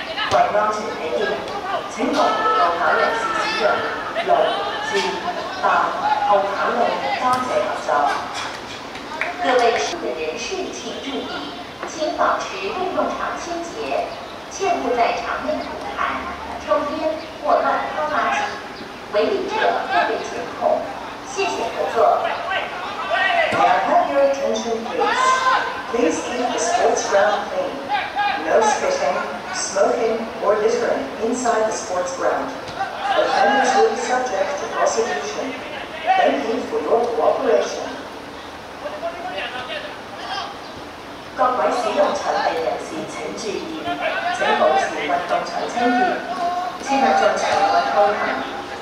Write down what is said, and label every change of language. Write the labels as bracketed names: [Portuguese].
[Chinese] 為安全起見，請各户外跑人士使用六至八號跑道，多謝合作。各位市民人士請注意，請保持運動場清潔，切勿在場內吐痰、抽煙或乱抛垃圾。违例者特别监控，谢谢合作。 [English] May I have your attention, please? Please leave the sports ground clean. No spitting, smoking, or littering inside the sports ground. Offenders will be subject to prosecution. Thank you for your cooperation. [Chinese] 各位使用场地人士请注意，请保持运动场清洁，切勿进场乱抛垃圾。